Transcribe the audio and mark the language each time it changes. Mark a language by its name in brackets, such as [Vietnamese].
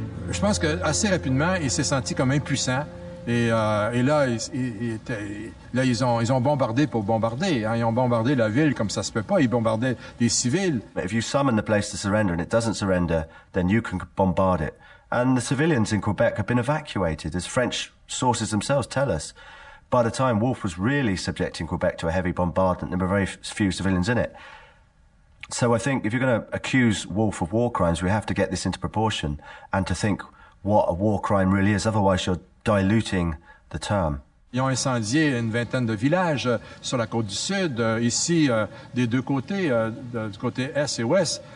[French] Je pense qu'assez rapidement, il s'est senti comme impuissant. Et là, ils ont bombardé pour bombarder. Hein. Ils ont bombardé la ville comme ça se peut pas. Ils bombardaient des civils. [English] But if you summon the place to surrender and it doesn't surrender, then you can bombard it. And the civilians in Quebec have been evacuated, as French sources themselves tell us. By the time Wolfe was really subjecting Quebec to a heavy bombardment, there were very few civilians in it. So I think if you're going to accuse Wolfe of war crimes, we have to get this into proportion and to think what a war crime really is. Otherwise, you're diluting the term. [French] Ils ont incendié une vingtaine de villages sur la côte du sud, ici, des deux côtés, du côté est et ouest.